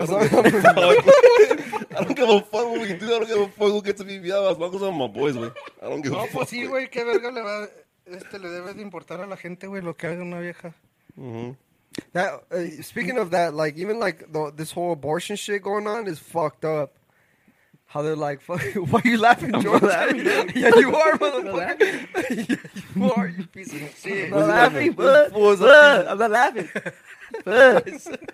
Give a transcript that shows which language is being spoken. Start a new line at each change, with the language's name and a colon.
English: I don't give a fuck what we do. I don't give a fuck who gets a BBL. As long as I'm with my boys, wey. I don't give a fuck.
Spanish: No, pues sí, wey. Qué verga le va... le debes de importar a la gente, wey, lo que haga una vieja.
English: That, speaking of that, like, even, like, this whole abortion shit going on is fucked up. How they're like, fuck, why are you laughing, George? Laughing. Yeah, you are, motherfucker. Yeah, you are, you piece of shit. I'm not laughing, but I'm not laughing.